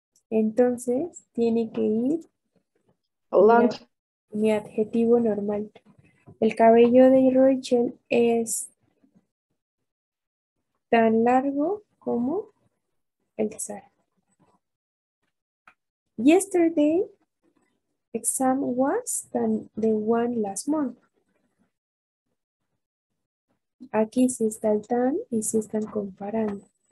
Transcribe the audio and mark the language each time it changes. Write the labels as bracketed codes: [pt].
[es] Entonces, tiene que ir mi adjetivo normal. El cabello de Rachel es tan largo como el de Sara. [en] Yesterday exam was than the one last month. [es] Aquí sí está el tan y sí están comparando.